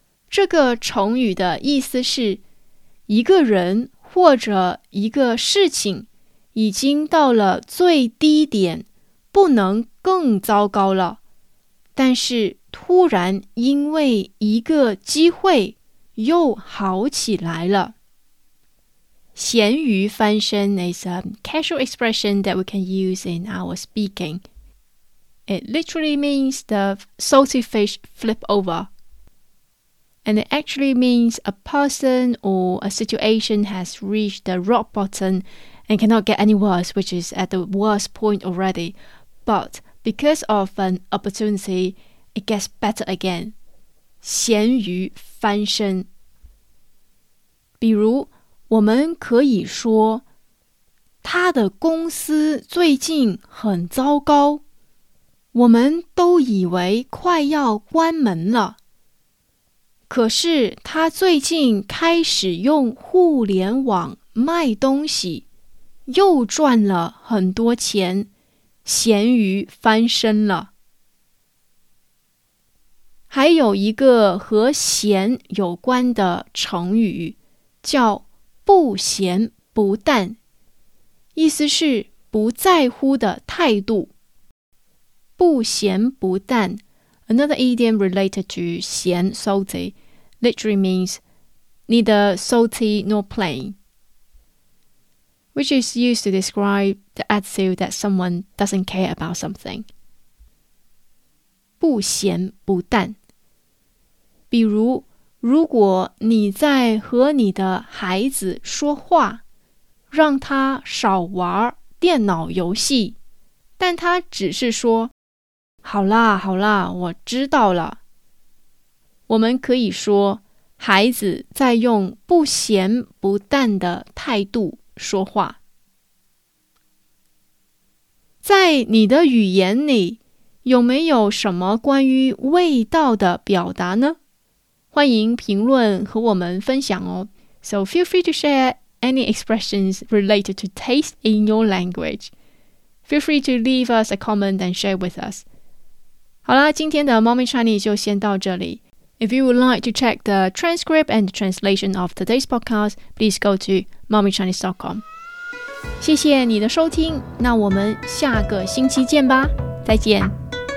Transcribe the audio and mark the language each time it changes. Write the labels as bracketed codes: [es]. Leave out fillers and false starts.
[zh] 这个成语的意思是，一个人或者一个事情已经到了最低点，不能更糟糕了，但是突然因为一个机会又好起来了。咸鱼翻身 [en] is a casual expression that we can use in our speaking. It literally means the salty fish flip over. And it actually means a person or a situation has reached the rock bottom and cannot get any worse, which is at the worst point already. But because of an opportunity,It gets better again. [zh] 咸鱼翻身。比如，我们可以说，他的公司最近很糟糕，我们都以为快要关门了。可是他最近开始用互联网卖东西，又赚了很多钱，咸鱼翻身了。还有一个和咸有关的成语叫不咸不淡，意思是不在乎的态度。不咸不淡 [en] another idiom related to 咸 salty literally means neither salty nor plain, which is used to describe the attitude that someone doesn't care about something. [zh] 不咸不淡。比如，如果你在和你的孩子说话，让他少玩电脑游戏，但他只是说，好啦，好啦，我知道了。我们可以说，孩子在用不咸不淡的态度说话。在你的语言里，有没有什么关于味道的表达呢？欢迎评论和我们分享哦。 [en] So feel free to share any expressions related to taste in your language. Feel free to leave us a comment and share with us. [zh] 好啦，今天的 Mommy Chinese 就先到这里。 [en] If you would like to check the transcript and translation of today's podcast, please go to mommychinese.com. [zh] 谢谢你的收听，那我们下个星期见吧，再见。